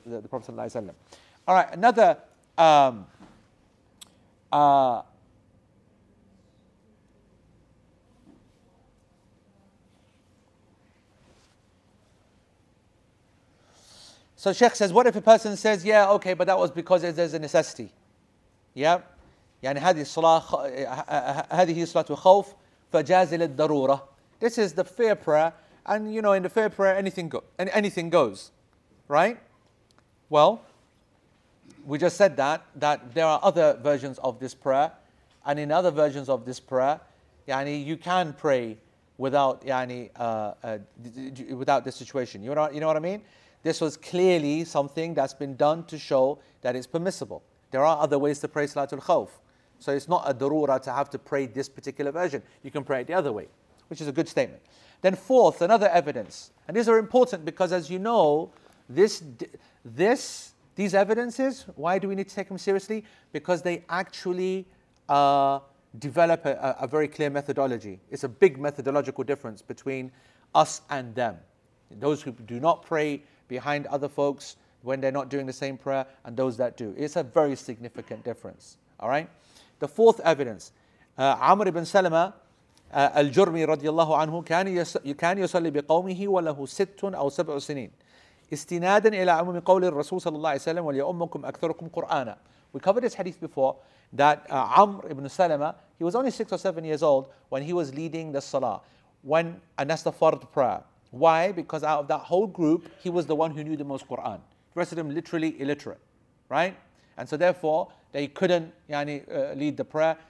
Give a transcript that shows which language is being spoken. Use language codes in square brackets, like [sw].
[en] The Prophet ﷺ. All right, another So Sheikh says, what if a person says, yeah, okay, but that was because there's a necessity. Yeah? [ar] يعني هذه الصلاة وخوف فجاز للضرورة. [en] This is the fair prayer. And you know, in the fair prayer, anything goes. Right? Well, we just said that there are other versions of this prayer. And in other versions of this prayer, يعني you can pray without without this situation. You know what I mean? This was clearly something that's been done to show that it's permissible. There are other ways to pray Salatul Khawf. So it's not a darura to have to pray this particular version. You can pray it the other way, which is a good statement. Then fourth, another evidence. And these are important because, as you know, these evidences, why do we need to take them seriously? Because they actually develop a very clear methodology. It's a big methodological difference between us and them. Those who do not pray behind other folks when they're not doing the same prayer, and those that do. It's a very significant difference. All right? The fourth evidence, Amr ibn Salama al-Jurmi radiyallahu anhu, [ar] كان يصلي بقومه وله ست أو سبع سنين استنادا إلى عموم قول الرسول صلى الله عليه وسلم وليؤمكم أكثركم قرآنا. [en] We covered this hadith before, that Amr ibn Salama, he was only 6 or 7 years old when he was leading the salah, and that's the fard prayer. Why? Because out of that whole group, he was the one who knew the most Quran. The rest of them literally illiterate, right? And so therefore, they couldn't lead the prayer.